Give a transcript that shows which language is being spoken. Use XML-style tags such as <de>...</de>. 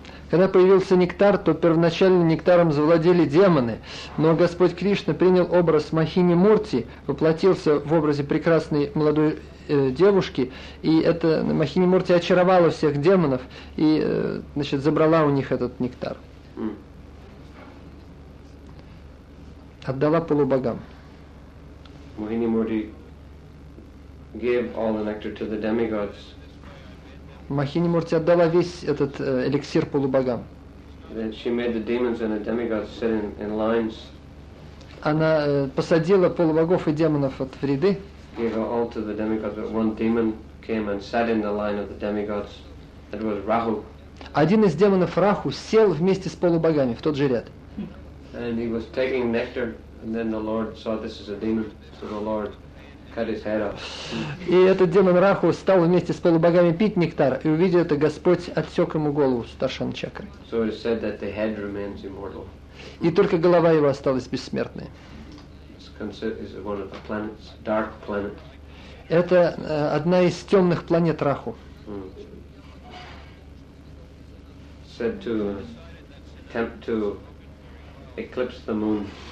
<ru>Когда появился нектар, то первоначально нектаром завладели демоны, но Господь Кришна принял образ Махини Мурти, воплотился в образе прекрасной молодой девушки, и эта Махини Мурти очаровала всех демонов и забрала у них этот нектар. Отдала полубогам.</ru> <en>Махини Мурти gave all the nectar to the demigods.</en> <ru>Махини Мурти отдала весь этот эликсир полубогам.</ru> <en>Then she made the demons and the demigods sit in lines.</en> <ru>Она посадила полубогов и демонов в ряды.</ru> <en>Gave all to the demigods, but one demon came and sat in the line of the demigods. It was Rahu.</en> <ru>Один из демонов Раху сел вместе с полубогами в тот же ряд.</ru> <en>And he was taking nectar, and then the Lord saw this is a demon, so the Lord cut his head off.</en> <ru>И этот демон Раху стал вместе с полубогами пить нектар, и увидел это, Господь отсек ему голову старшан чакры.</ru> <en>So it is said that the head remains immortal.</en> <ru>И только голова его осталась бессмертной.</ru> <en>Is one of the planets, dark planet.</en> <ru>Это одна из темных планет Раху.</ru> <en>Said to attempt to eclipse the moon.</en>